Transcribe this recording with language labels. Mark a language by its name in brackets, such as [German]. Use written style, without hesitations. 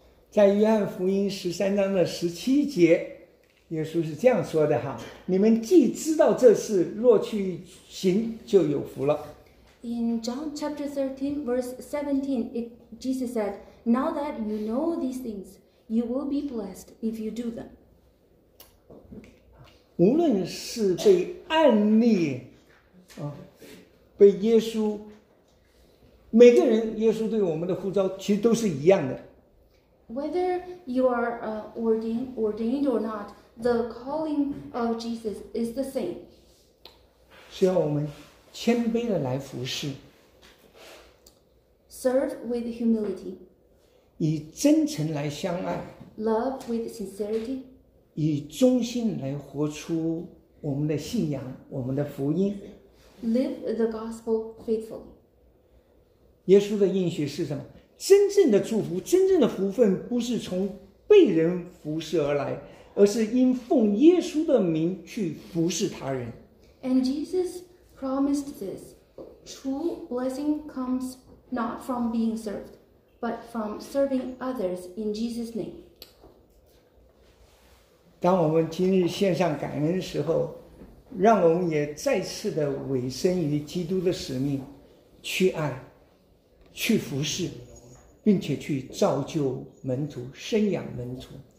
[Chinese] 在约翰福音十三章的十七节，耶稣是这样说的哈：“你们既知道这事，若去行，就有福了。” [English] In John chapter 13, verse 17, Jesus said, "Now that you know these things." You will be blessed if you do them. [Chinese] 无论是被案例，被耶稣，每个人耶稣对我们的呼召其实都是一样的。 [English] Whether you are ordained or not, the calling of Jesus is the same. [Chinese] 需要我们谦卑的来服侍。 [English] Serve with humility. [Chinese] 以真诚来相爱。 [English] Love with sincerity. [Chinese] 以忠心来活出我们的信仰，我们的福音。 [English] Live the gospel faithfully. [Chinese] 耶稣的应许是什么？真正的祝福，真正的福分，不是从被人服侍而来，而是因奉耶稣的名去服侍他人。 [English] And Jesus promised this. True blessing comes not from being served, but from serving others in Jesus' name. [Chinese] 当我们今日献上感恩的时候，让我们也再次的委身于基督的使命，去爱，去服侍，并且去造就门徒，生养门徒。